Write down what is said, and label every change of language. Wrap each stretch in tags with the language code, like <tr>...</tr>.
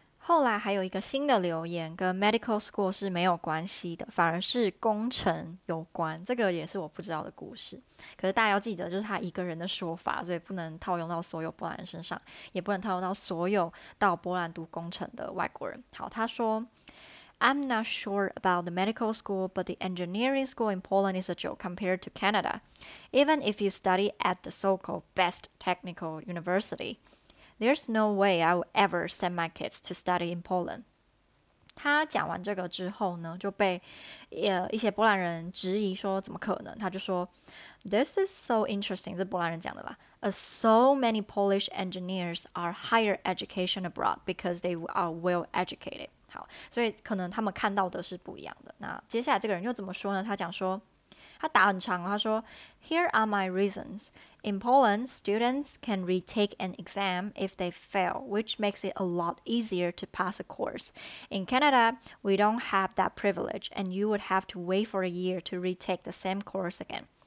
<zh>后来还有一个新的留言跟 medical school 是没有关系的，反而是工程有关，这个也是我不知道的故事，可是大家要记得就是他一个人的说法，所以不能套用到所有波兰人身上，也不能套用到所有到波兰读工程的外国人。好，他说</zh> <en>I'm not sure about the medical school, but the engineering school in Poland is a joke compared to Canada, even if you study at the so-called best technical university. There's no way I would ever send my kids to study in Poland.</en> <zh>他讲完这个之后呢，就被一些波兰人质疑说怎么可能，他就说</zh> <en>This is so interesting,</en> <zh>这波兰人讲的啦，</zh> <en>So many Polish engineers are higher education abroad because they are well educated.</en> <zh>好，所以可能他们看到的是不一样的。那接下来这个人又怎么说呢？他讲说，他答很长，他说</zh> <en>Here are my reasons. In Poland, students can retake an exam if they fail, which makes it a lot easier to pass a course. In Canada, we don't have that privilege, and you would have to wait for a year to retake the same course again.</en>